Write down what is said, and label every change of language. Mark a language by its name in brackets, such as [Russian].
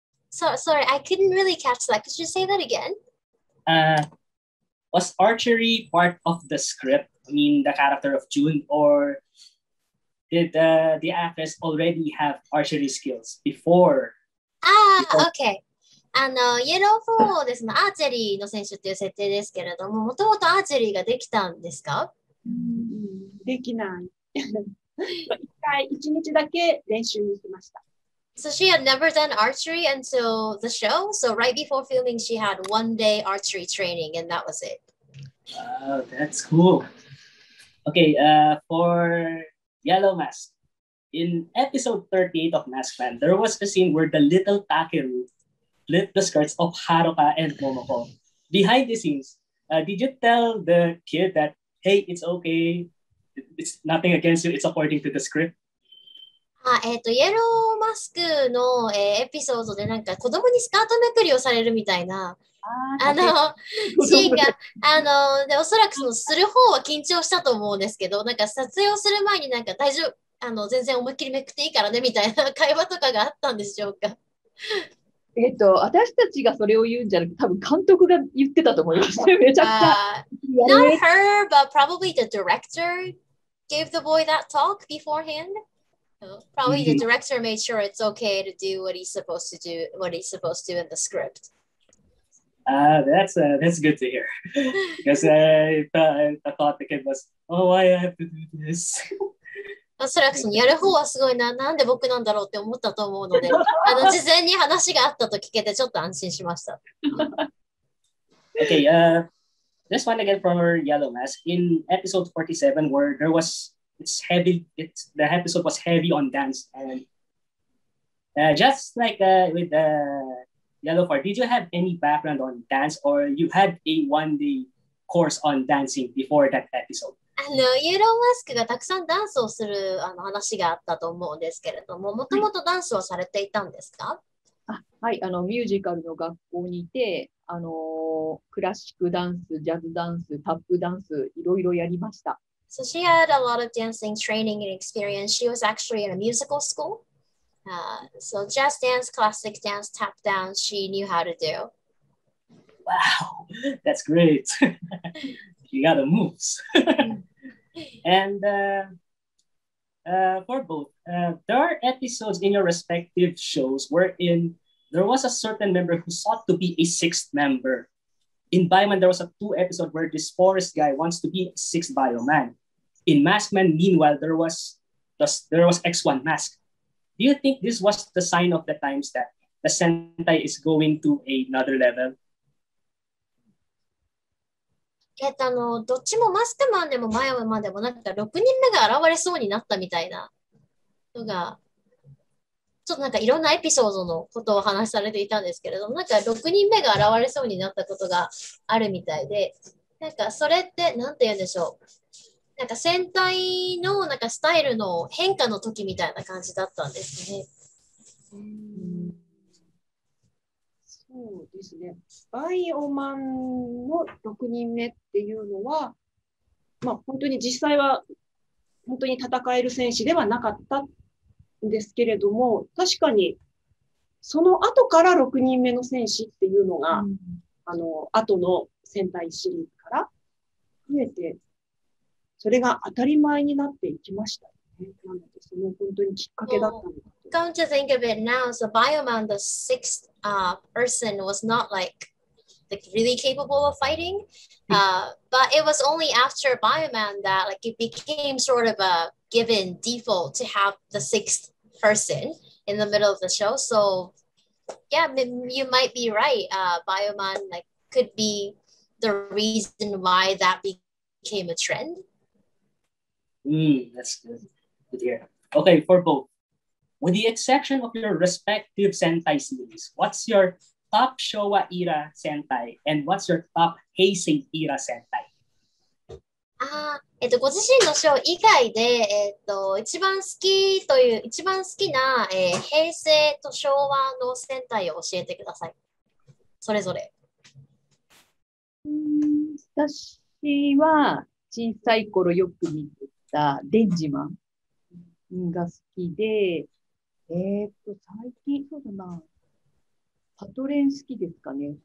[English] So, sorry, I couldn't really catch that. Could you say that again? Was archery part of the script, I mean the character of June, or... Did the actress already have archery skills before? Okay. [Japanese] あの、イエローフォーですね。アーチェリーの選手っていう設定ですけれども、もともとアーチェリーができたんですか？できない。一日だけ練習に行きました。 [English] So she had never done archery until the show. So right before filming, she had 1 day archery training, and that was it. Wow, that's cool. Okay, for Yellow Mask, in episode 38 of Maskman, there was a scene where the little Takeru lit the skirts of Haruka and Momoko. Behind the scenes, did you tell the kid that, hey, it's okay, it's nothing against you, it's according to the script? [Japanese] イエローマスクの、エピソードでなんか子供にスカートめくりをされるみたいな あのシーンがあのでおそらくそのする方は緊張したと思うんですけどなんか撮影をする前になんか大丈夫あの全然思いっきりめくっていいからねみたいな会話とかがあったんでしょうか私たちがそれを言うんじゃなくて多分監督が言ってたと思いますめちゃくちゃ [English] Not her, but probably the director gave the boy that talk beforehand. Probably the director made sure it's okay to do what he's supposed to do, what he's supposed to do in the script. That's good to hear. Because I thought the kid was, oh, why do I have to do this? [Japanese] おそらくやる方はすごいな、なんで僕なんだろうって思ったと思うので、あの事前に話があったと聞けてちょっと安心しました。 [English] Okay, this one again from our Yellow Mask. In episode 47, where there was... The episode was heavy on dance. And just like with the Yellow Card, did you have any background on dance or you had a one-day course on dancing before that episode? [Japanese] イエローマスクがたくさんダンスをするあの話があったと思うんですけれども、もともとダンスをされていたんですか？はい、あのミュージカルの学校にいて、あのクラシックダンス、ジャズダンス、タップダンス、いろいろやりました。 [English] So she had a lot of dancing training and experience. She was actually in a musical school. So jazz dance, classic dance, tap dance, she knew how to do. Wow, that's great. She got the moves. And for both, there are episodes in your respective shows wherein there was a certain member who sought to be a sixth member. In Bioman, there was a two episode where this forest guy wants to be a sixth Bioman. In Maskman, meanwhile, there was X1 Mask. Do you think this was the sign of the times that the Sentai is going to another level? [Japanese] どっちもマスクマンでもマヨマンでもなんか6人目が現れそうになったみたいなのがちょっとなんかいろんなエピソードのことを話されていたんですけれどもなんか6人目が現れそうになったことがあるみたいでなんかそれってなんて言うんでしょうなんか戦隊のなんかスタイルの変化の時みたいな感じだったんですね。そうですね。バイオマンの6人目っていうのは、まあ本当に実際は本当に戦える戦士ではなかったんですけれども、確かにその後から6人目の戦士っていうのが、あの後の戦隊シリーズから増えて、それが当たり前になっていきました。なのでその本当にきっかけだったのか。 [English] Come to think of it now, so Bioman, the sixth person was not like really capable of fighting. But it was only after Bioman that like it became sort of a given default to have the sixth person in the middle of the show. So yeah, you might be right. Bioman like could be the reason why that became a trend. That's good to hear. Okay, for both. With the exception of your respective Sentai series, what's your top Showa era Sentai and what's your top Heisei era Sentai? [Japanese] ご自身のショー以外で、一番好きという、一番好きな、平成と昭和の Sentai を教えてください。それぞれ。私は小さい頃よく見て、デンジマンが好きで、最近そうだな、パトレン好きですかね。